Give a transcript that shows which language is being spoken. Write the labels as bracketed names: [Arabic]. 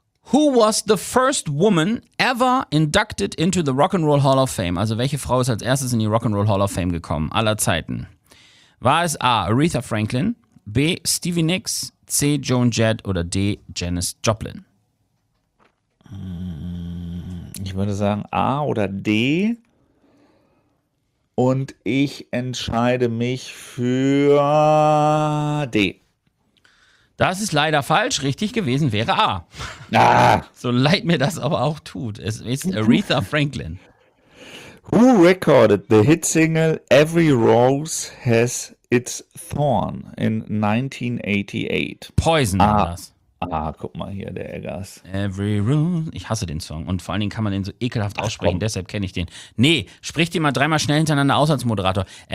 [English] Who was the first woman ever inducted into the Rock'n'Roll Hall of Fame? [German] Also welche Frau ist als erstes in die Rock'n'Roll Hall of Fame gekommen, aller Zeiten? War es A, Aretha Franklin, B, Stevie Nicks, C, Joan Jett oder D, Janis Joplin? Ich würde sagen A oder D und ich entscheide mich für D. Das ist leider falsch, richtig gewesen wäre A. Ah. So leid mir das aber auch tut, es ist Aretha Franklin. [English] Who recorded the hit single Every Rose Has Its Thorn in 1988? [German] Poison war das. Ah, guck mal hier, der Eggers. Every Room. Ich hasse den Song. Und vor allen Dingen kann man den so ekelhaft aussprechen, deshalb kenne ich den. Nee, sprich den mal 3-mal schnell hintereinander aus als Moderator.